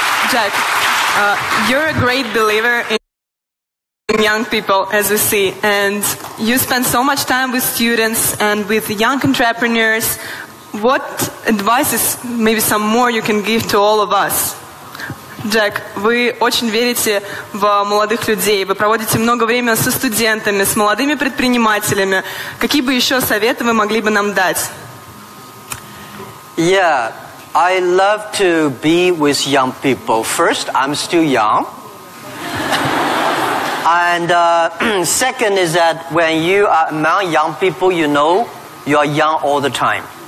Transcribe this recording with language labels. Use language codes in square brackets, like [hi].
[en] Jack, you're a great believer in young people, as we see. And you spend so much time with students and with young entrepreneurs. What advice, maybe some more, you can give to all of us? [ru] Джек, вы очень верите в молодых людей, вы проводите много времени со студентами, с молодыми предпринимателями. Какие бы еще советы вы могли бы нам дать? [en] Yeah, I love to be with young people. First, I'm still young. And second is that when you are among young people, you know you are young all the time.